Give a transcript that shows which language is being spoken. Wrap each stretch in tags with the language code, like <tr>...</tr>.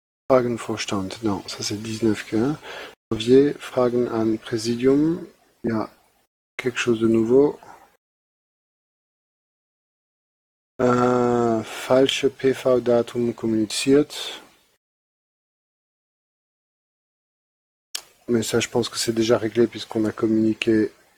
<fr>Fragenvorstand, non, ça c'est 19K.</fr> <de>Javier, Fragen an Präsidium.</de> <fr>Ja, quelque chose de nouveau.</fr> <de>Falsche PV-Datum kommuniziert.</de> <fr>Mais ça, je pense que c'est déjà réglé puisqu'on a communiqué.</fr>